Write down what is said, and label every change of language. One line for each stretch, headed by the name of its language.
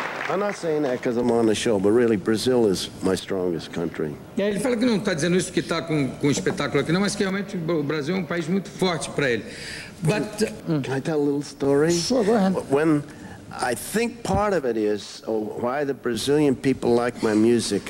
English: I'm not saying that because I'm on the show, but really Brazil is my strongest country.
Portuguese: Yeah, ele fala que não está dizendo isso porque está com um espetáculo aqui, não, mas que realmente o Brasil é um país muito forte para ele.
English: But can I tell a little story? Sure, go ahead. When I think part of it is why the Brazilian people like my music.